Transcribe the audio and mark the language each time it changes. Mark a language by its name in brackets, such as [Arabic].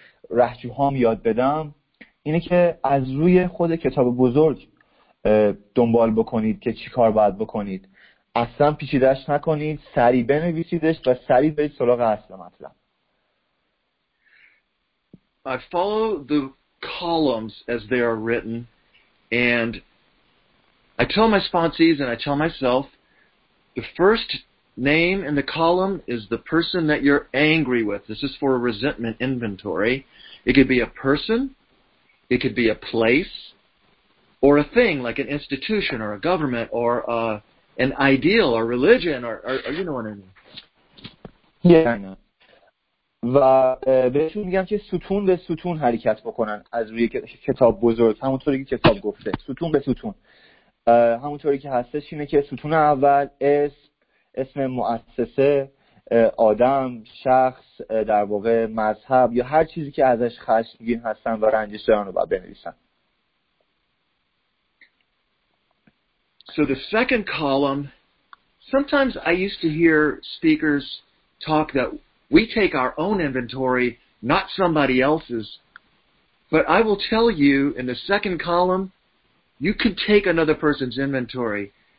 [Persian] رهجوهام یاد بدم اینه که از روی خود کتاب بزرگ دنبال بکنید که چی کار باید بکنید، اصلا پیچیدش نکنید، سریع بنویسیدش و سریع برید سراغ اصل مطلب. [English] I follow the columns as they are written and I tell my sponsees and I tell myself the first name in the column is the person that you're angry with. This is for a resentment inventory. It could be a person, it could be a place, or a thing like an institution or a government or an ideal or religion or you know what I mean. Yeah, I know. [Persian] و بهشون میگم که ستون به ستون حرکت بکنن از روی کتاب بزرگ، همونطوری که کتاب گفته، ستون به ستون. همونطوری که هستش اینه که ستون اول اسم مؤسسه، آدم، شخص، در واقع مذهب یا هر چیزی که ازش خشمگین هستن و رنجش دارن رو باید بنویسن. [English] So the second column, sometimes I used to hear speakers talk that we take our own inventory, not somebody else's. But I will tell you, in the second column, you can take another person's inventory.